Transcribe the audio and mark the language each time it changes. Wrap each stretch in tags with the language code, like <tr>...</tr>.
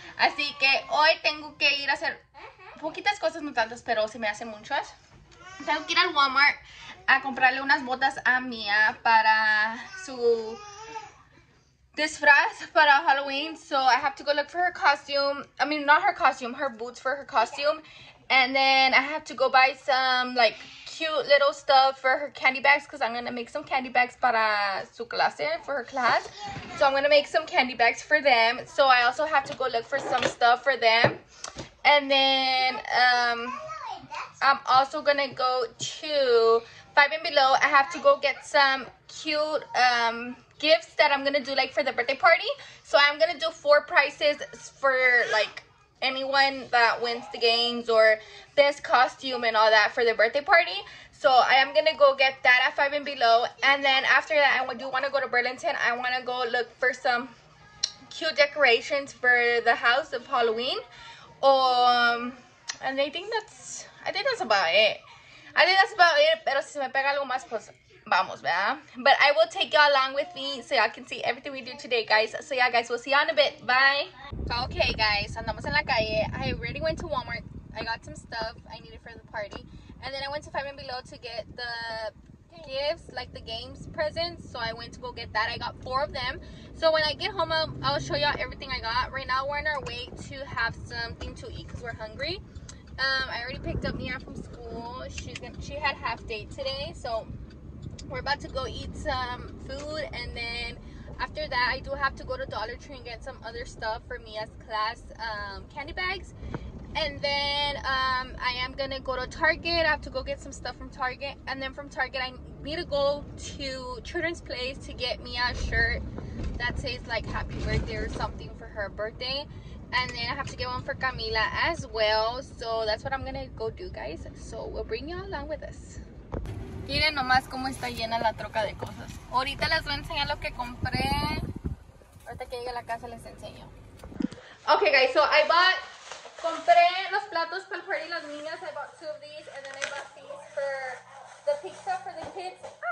<es>Así que hoy tengo que ir a hacer poquitas cosas, no tantas, pero se me hacen muchas. Tengo que ir al Walmart a comprarle unas botas a Mía para su disfraz para Halloween.</es> <en>So I have to go look for her costume, I mean not her costume, her boots for her costume. And then I have to go buy some like cute little stuff for her candy bags because I'm gonna make some candy bags</en> <es>para su clase,</es> <en>for her class. So I'm gonna make some candy bags for them. So I also have to go look for some stuff for them. And then I'm also gonna go to Five and Below. I have to go get some cute gifts that I'm gonna do like for the birthday party. So I'm gonna do 4 prizes for like anyone that wins the games or best costume and all that for their birthday party. So I am gonna go get that at Five and Below, and then after that I do want to go to Burlington. I want to go look for some cute decorations for the house of Halloween. And I think that's about it.</en> <es>Pero si se me pega algo más, pues vamos, ¿verdad?</es> <en>But I will take y'all along with me so y'all can see everything we do today, guys. So yeah, guys, we'll see y'all in a bit. Bye. Okay guys,</en> <es>andamos en la calle.</es> <en>I already went to Walmart. I got some stuff I needed for the party. And then I went to Five and Below to get the gifts, like the games presents. So I went to go get that. I got 4 of them. So when I get home, I'll show y'all everything I got. Right now we're on our way to have something to eat because we're hungry. I already picked up Mia from school. She had half day today. So we're about to go eat some food, and then after that, I do have to go to Dollar Tree and get some other stuff for Mia's class candy bags. And then I am gonna go to Target. I have to go get some stuff from Target. And then from Target, I need to go to Children's Place to get Mia's shirt that says like happy birthday or something for her birthday. And then I have to get one for Camila as well. So that's what I'm gonna go do, guys. So we'll bring you along with us.</en> <es>Miren nomás cómo está llena la troca de cosas. Ahorita les voy a enseñar lo que compré. Ahorita que llegue a la casa les enseño.</es> <en>Ok, guys, so I bought,</en> <es>compré los platos para el party y las niñas.</es> <en>I bought 2 of these, and then I bought these for the pizza for the kids.</en>